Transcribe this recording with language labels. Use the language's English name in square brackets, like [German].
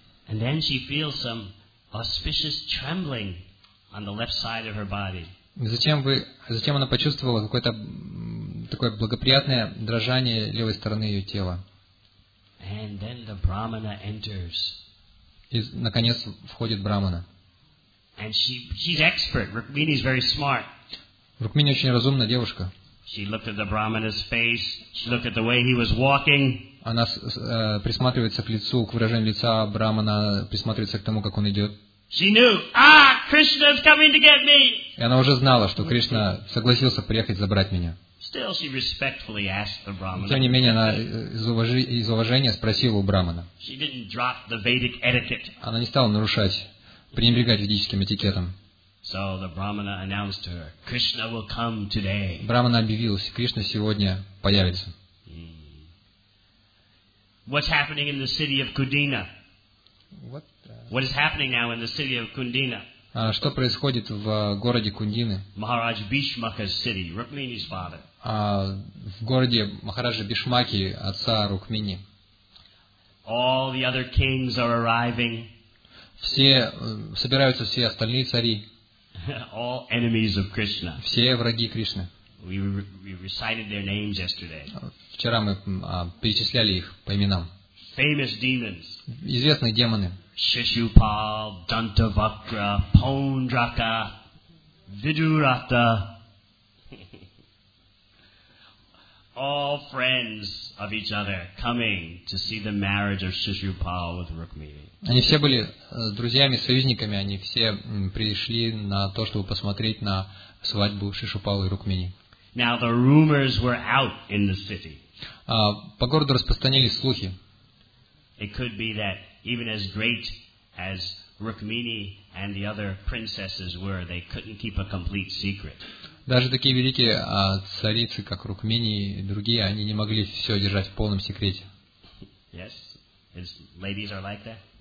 [English] And then she feels some auspicious trembling on the left side of her body. [Russian] Затем она почувствовала какое-то такое благоприятное дрожание левой стороны ее тела. [English] And then the brahmana enters. [Russian] И наконец входит брахмана. [English] And she's expert. Rukmini is very smart. [Russian] Rukmini очень разумная девушка. [English] She looked at the brahmana's face. She looked at the way he was walking. [Russian] Она присматривается к лицу, к выражению лица брахмана, присматривается к тому, как он идет. [English] She knew, Krishna is coming to get me. [Russian] И она уже знала, что Кришна согласился приехать забрать меня. [English] Still, she respectfully asked the brahmana. [Russian] Тем не менее, она из уважения спросила у брахмана. [English] She didn't drop the Vedic etiquette. [Russian] Она не стала пренебрегать ведическим этикетом. [English] So the brahmana announced to her, Krishna will come today. [Russian] Брахмана объявил, Кришна сегодня появится. [English] What's happening in the city of Kundina? What is happening now in the city of Kundina? [Russian] Что происходит в городе Кундины? [English] Maharaj Bhishmaka's city, Rukmini's father. [Russian] в городе Махараджа Бишмаки, отца Рукмини. [English] All the other kings are arriving. [Russian] Все собираются все остальные цари. [English] All enemies of Krishna. [Russian] Все враги Кришны. [English] We recited their names yesterday. [Russian] Вчера мы перечисляли их по именам. [English] Famous demons. [Russian] Известные демоны. Шишупал, Дантавакра, Пондрака, Видурата. [English] All friends of each other coming to see the marriage of Shishupal with Rukmini. [Russian] Они все были друзьями, союзниками. Они все пришли на то, чтобы посмотреть на свадьбу Шишупала и Рукмини. [English] Now the rumors were out in the city. [Russian] По городу распространились слухи. [English] It could be that even as great as Rukmini and the other princesses were, they couldn't keep a complete secret. [Russian] Даже такие великие царицы, как Рукмини и другие, они не могли все держать в полном секрете. [English] Yes, ladies are like that.